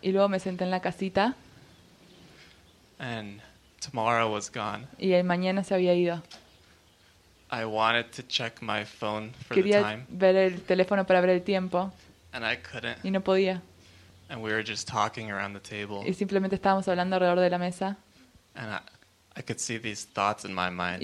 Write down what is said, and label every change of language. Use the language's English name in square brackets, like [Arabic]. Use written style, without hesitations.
[Spanish] Y luego me senté en la casita. [English] And tomorrow was gone. [Spanish] Y el mañana se había ido. [English] I wanted to check my phone for [Spanish] Quería [English] the time. [Spanish] Ver el teléfono para ver el tiempo. [English] And I couldn't. [Spanish] Y no podía. [English] And we were just talking around the table. [Spanish] Y simplemente estábamos hablando alrededor de la mesa. [English] And I could see these thoughts in my mind.